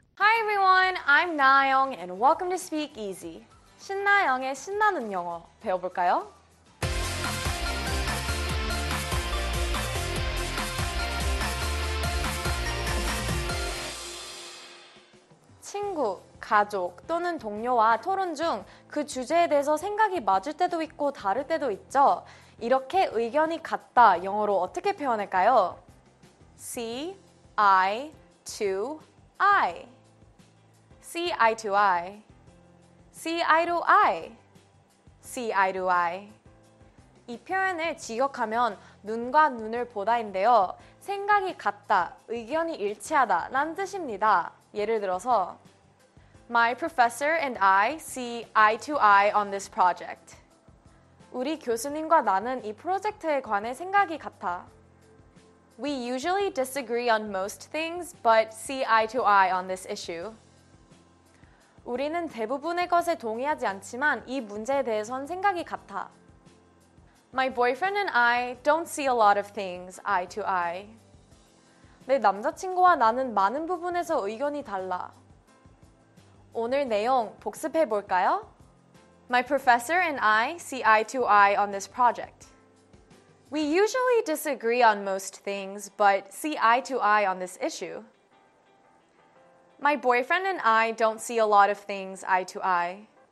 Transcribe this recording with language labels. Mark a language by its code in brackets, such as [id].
[en] Hi everyone, I'm Na-young and welcome to Speak Easy. [ko] 신나영의 신나는 영어 배워볼까요? 친구, 가족 또는 동료와 토론 중 그 주제에 대해서 생각이 맞을 때도 있고 다를 때도 있죠. 이렇게 의견이 같다 영어로 어떻게 표현할까요? [en] See eye to eye. See eye to eye. See eye to eye. See eye to eye. [ko] 이 표현을 직역하면 눈과 눈을 보다인데요. 생각이 같다, 의견이 일치하다 라는 뜻입니다. 예를 들어서 [en] My professor and I see eye to eye on this project. [ko] 우리 교수님과 나는 이 프로젝트에 관해 생각이 같아. [en] We usually disagree on most things, but see eye to eye on this issue. [ko] 우리는 대부분의 것에 동의하지 않지만 이 문제에 대해선 생각이 같아. [en] My boyfriend and I don't see a lot of things eye to eye. [ko] 내 남자친구와 나는 많은 부분에서 의견이 달라. 오늘 내용 복습해 볼까요? [en] My professor and I see eye to eye on this project. We usually disagree on most things, but see eye to eye on this issue. My boyfriend and I don't see a lot of things eye to eye.